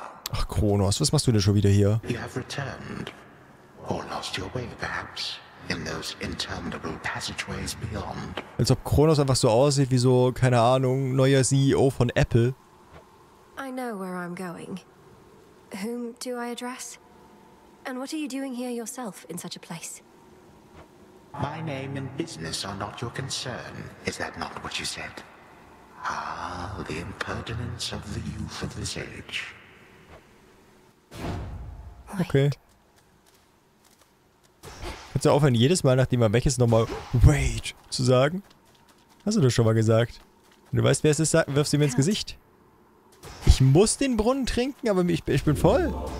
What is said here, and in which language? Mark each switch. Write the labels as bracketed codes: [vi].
[de] Ach, Kronos, was machst du denn schon wieder hier? [en] You have returned. Or lost your way, perhaps. In those interminable passageways beyond. [de] Als ob Kronos einfach so aussieht wie so, keine Ahnung, neuer CEO von Apple. [en] I know where I'm going. Whom do I address? And what are you doing here yourself in such a place? My name and business are not your concern. Is that not what you said? Ah, the impertinence of the youth of this age. Okay. Wait. [de] Kannst du aufhören, jedes Mal, nachdem man weg ist, nochmal Wait zu sagen? Hast du das schon mal gesagt? Wenn du weißt, wer es ist, wirfst du mir ins Gesicht. Ich muss den Brunnen trinken, aber ich bin voll.